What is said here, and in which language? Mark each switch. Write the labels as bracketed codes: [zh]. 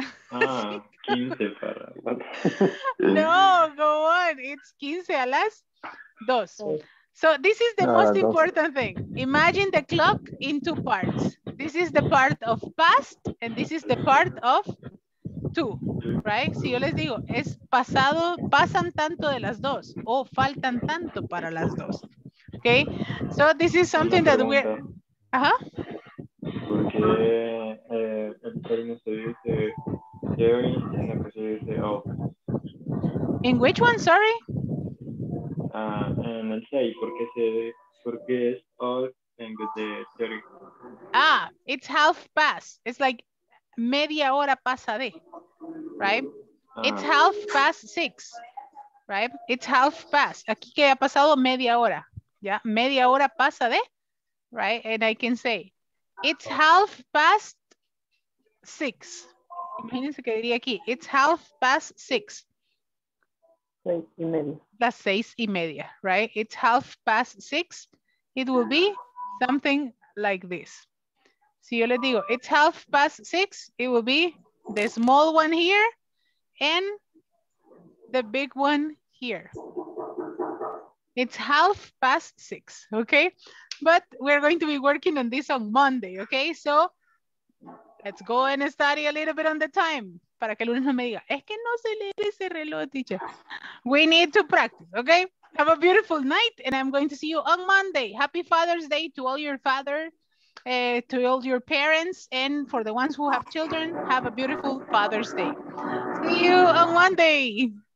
[en] Ah, 15 para. No, go on. It's 15 a las 2. So this is the most important thing. Imagine the clock in 2 parts. This is the part of past and this is the part of 2, right? [es] Si yo les digo, es pasado, pasan tanto de las 2 o faltan tanto para las 2. [en] Okay? So this is something that we [es] Porque el término se dice during y la cosa se dice of. [en] In which one, sorry? [es] En el 6, porque es of en vez de during. [en] Ah, it's half past. It's like [es] media hora pasa de, [en] right? It's half past 6, right? It's half past. [es] Aquí que ha pasado media hora, ¿ya? Media hora pasa de, right? [en] And I can say, it's half past six. [es] Imagínense que diría aquí, [en] it's half past six. [es] Seis y media. Las seis y media, [en] right? It's half past six. It will be something like this. [es] Si yo les digo, [en] it's half past six, it will be the small one here and the big one here. It's half past six, okay? But we're going to be working on this on Monday, okay? So let's go and study a little bit on the time. [es] Para que el lunes no me diga, es que no se lee ese reloj, teacher. [en] We need to practice, okay? Have a beautiful night and I'm going to see you on Monday. Happy Father's Day to all your fathers. To all your parents, and for the ones who have children, have a beautiful Father's Day. See you on Monday.